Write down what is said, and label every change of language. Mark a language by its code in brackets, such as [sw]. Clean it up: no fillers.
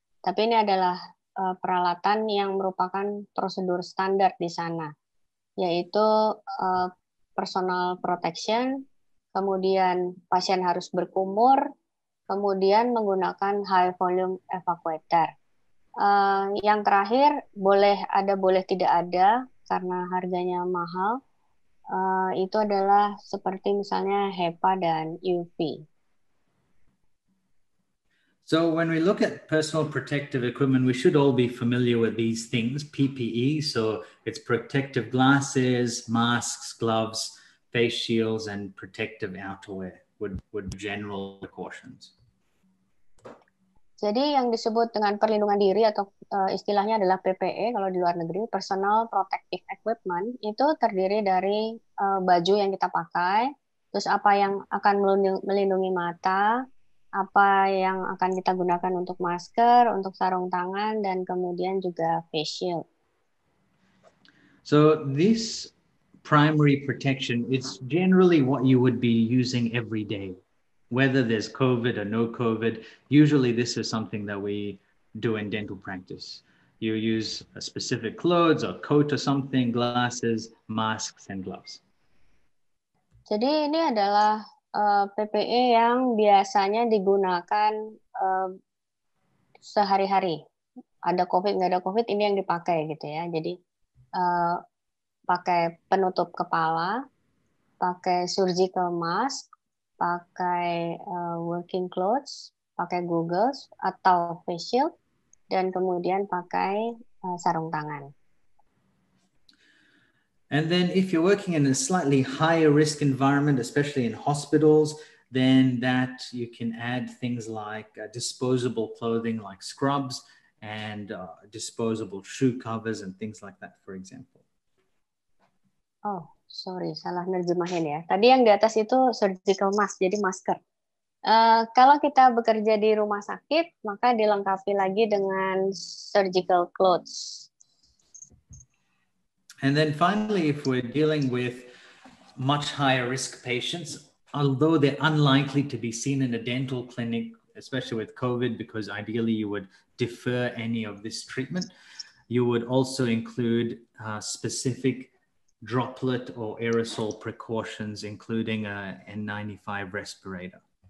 [id] Tapi ini adalah peralatan yang merupakan prosedur standar di sana, yaitu personal protection, kemudian pasien harus berkumur, kemudian menggunakan high volume evacuator. Yang terakhir, boleh tidak ada karena harganya mahal, itu adalah seperti misalnya HEPA dan UV. [en] So when we look at personal protective equipment, we should all be familiar with these things, PPE. So it's protective glasses, masks, gloves, face shields, and protective outerwear with general precautions. [id] Jadi yang disebut dengan perlindungan diri atau istilahnya adalah PPE kalau di luar negeri, personal protective equipment, itu terdiri dari baju yang kita pakai, terus apa yang akan melindungi mata, apa yang akan kita gunakan untuk masker, untuk sarung tangan, dan kemudian juga face shield. [en] So this primary protection, it's generally what you would be using every day. Whether there's COVID or no COVID, usually this is something that we do in dental practice. You use a specific clothes or coat or something, glasses, masks, and gloves. [id] Jadi ini adalah PPE yang biasanya digunakan sehari-hari. Ada COVID, nggak ada COVID, ini yang dipakai gitu ya. Jadi pakai penutup kepala, pakai surgical mask, pakai working clothes, pakai goggles atau face shield, dan kemudian pakai sarung tangan. [en] And then if you're working in a slightly higher risk environment, especially in hospitals, then that you can add things like disposable clothing like scrubs and disposable shoe covers and things like that, for example. Oh. Sorry, [id] salah nerjemahin ya. Tadi yang di atas itu surgical mask, jadi masker. Kalau kita bekerja di rumah sakit, maka dilengkapi lagi dengan surgical clothes. [en] And then finally, if we're dealing with much higher risk patients, although they're unlikely to be seen in a dental clinic, especially with COVID, because ideally you would defer any of this treatment, you would also include specific droplet or aerosol precautions, including a N95 respirator.